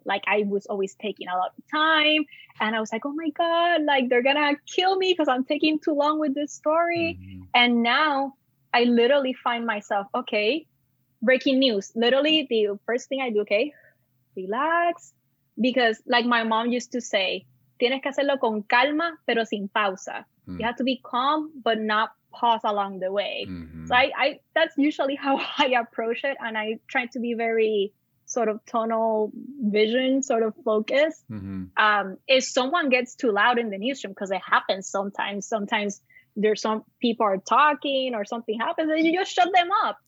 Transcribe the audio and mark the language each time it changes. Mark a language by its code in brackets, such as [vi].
[en] Like I was always taking a lot of time and I was like, oh my God, like they're gonna kill me because I'm taking too long with this story. Mm-hmm. And now I literally find myself, okay, breaking news. Literally the first thing I do, okay, relax. Because like my mom used to say, [es] tienes que hacerlo con calma, pero sin pausa. Mm-hmm. [en] You have to be calm, but not pause along the way. Mm-hmm. So I that's usually how I approach it, and I try to be very sort of tunnel vision sort of focus. Mm-hmm. If someone gets too loud in the newsroom, because it happens sometimes there's some people are talking or something happens and you just shut them up.